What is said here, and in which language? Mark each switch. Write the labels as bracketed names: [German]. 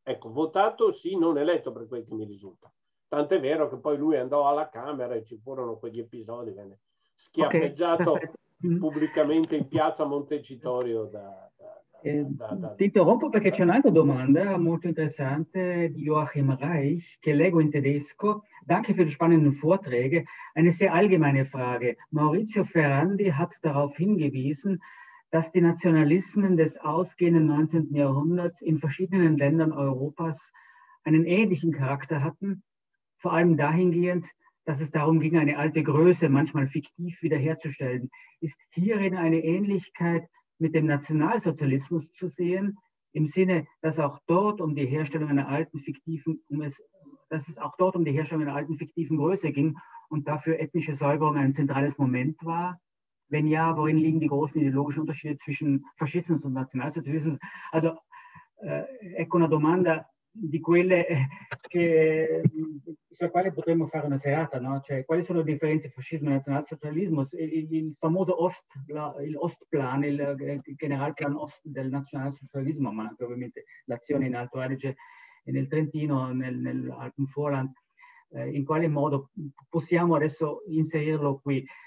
[Italian] Ecco, votato sì, non eletto per quel che mi risulta. Tant'è vero che poi lui andò alla Camera e ci furono quegli episodi, venne schiaffeggiato pubblicamente in piazza Montecitorio. Ti interrompo perché c'è un'altra domanda molto interessante di Joachim Reich, che leggo in tedesco. [German] Danke für die spannenden Vorträge. Eine sehr allgemeine Frage. Maurizio Ferrandi hat darauf hingewiesen, dass die Nationalismen des ausgehenden 19. Jahrhunderts in verschiedenen Ländern Europas einen ähnlichen Charakter hatten, vor allem dahingehend, dass es darum ging, eine alte Größe, manchmal fiktiv, wiederherzustellen. Ist hierin eine Ähnlichkeit mit dem Nationalsozialismus zu sehen, im Sinne, dass auch dort um die Herstellung einer alten fiktiven, dass es auch dort um die Herstellung einer alten fiktiven Größe ging und dafür ethnische Säuberung ein zentrales Moment war? Wenn ja, worin liegen die großen ideologischen Unterschiede zwischen Faschismus und Nationalsozialismus? [Italian] Also, ecco una domanda di quelle che sulla quale potremmo fare una serata, no? Cioè, quali sono le differenze tra fascismo e nazionalsocialismo? Il famoso Ost, il Ostplan, il Generalplan Ost del nazionalsocialismo, ma anche ovviamente l'azione in Alto Adige e nel Trentino, nel Alpenvorland, in quale modo possiamo adesso inserirlo qui?